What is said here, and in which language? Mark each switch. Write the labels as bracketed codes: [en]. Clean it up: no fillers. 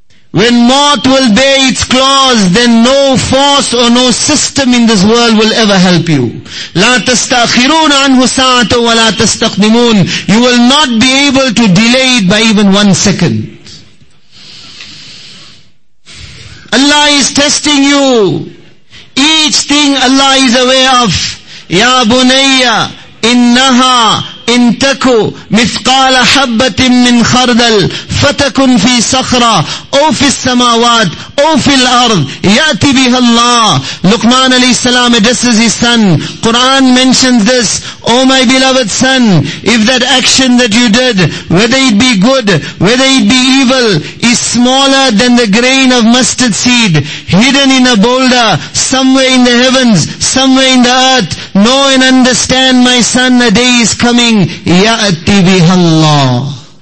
[en] When mort will bear its claws, then no force or no system in this world will ever help you. [ar] لا تستأخرون عنه ساعة ولا تستقدمون. [en] You will not be able to delay it by even 1 second. Allah is testing you. Each thing Allah is aware of. [ar] يا بنية إنها إن تكو مثقال حبة من خردل فتكن في صخرة أو في السماوات أو في الأرض يأتي بها الله. [en] Luqman alayhi salam addresses his son. Quran mentions this. O my beloved son, if that action that you did, whether it be good, whether it be evil, is smaller than the grain of mustard seed, hidden in a boulder, somewhere in the heavens, somewhere in the earth, know and understand, my son, a day is coming. [ar] يَأْتِ بِهَا اللَّهُ.